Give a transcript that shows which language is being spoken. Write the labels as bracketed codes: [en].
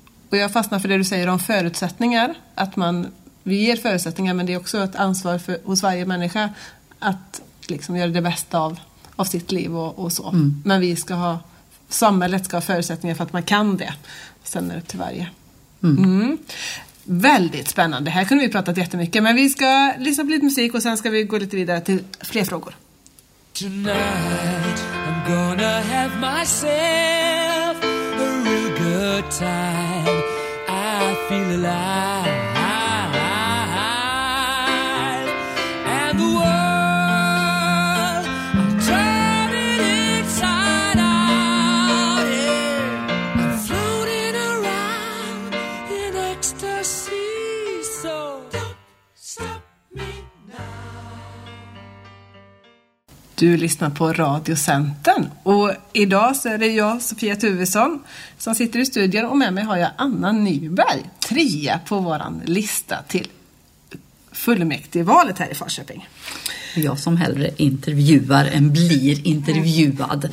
[sv] Och jag fastnar för det du säger om förutsättningar. Att vi ger förutsättningar, men det är också ett ansvar hos varje människa att liksom göra det bästa av sitt liv och så. Mm. Men samhället ska ha förutsättningar för att man kan det. Sen är det till varje. Mm. Mm. Väldigt spännande. Här kunde vi prata jättemycket. Men vi ska lyssna på lite musik och sen ska vi gå lite vidare till fler frågor. [en] Tonight I'm gonna have myself a real good time. I feel alive, and the world I'm turning inside out. Yeah. I'm floating around in ecstasy, so don't stop me. [sv] Du lyssnar på Radio Centern och idag så är det jag, Sofia Tuvesson, som sitter i studion och med mig har jag Anna Nyberg, trea på våran lista till fullmäktigevalet här i Falköping. Jag som hellre intervjuar än blir intervjuad.